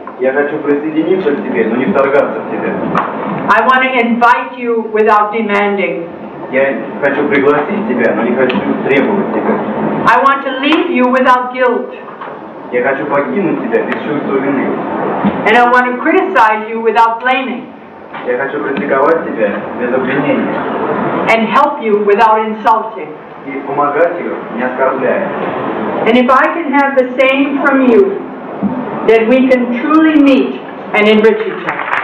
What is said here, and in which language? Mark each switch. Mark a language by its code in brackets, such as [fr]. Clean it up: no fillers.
[ru] Я хочу присоединиться к тебе, но не вторгаться в тебя. [en] I want to invite you without demanding. [ru] Я хочу пригласить тебя, но не хочу требовать тебя. [en] I want to leave you without guilt. [ru] Я хочу покинуть тебя без чувства вины. [en] And I want to criticize you without blaming. [ru] Я хочу критиковать тебя без обвинения. [en] And help you without insulting. [ru] И помогать ее, не оскорбляя. [en] And if I can have the same from you, then we can truly meet and enrich each other.